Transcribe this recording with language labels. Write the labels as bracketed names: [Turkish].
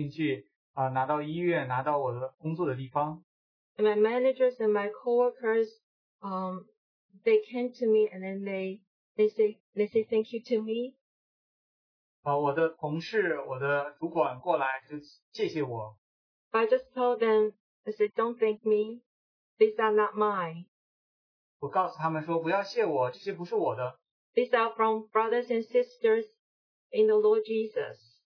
[Chinese] 后来我就把我接到的这些口罩还有个人防护面具拿到医院，拿到我的工作的地方。 [English] And my managers and my coworkers, they came to me and then they say thank you to me. [Chinese] 我的同事，我的主管过来就谢谢我。 [English] But I just told them, I said, don't thank me. These are not mine. [Chinese] 我告诉他们说，不要谢我，这些不是我的。 [English] These are from brothers and sisters in the Lord Jesus.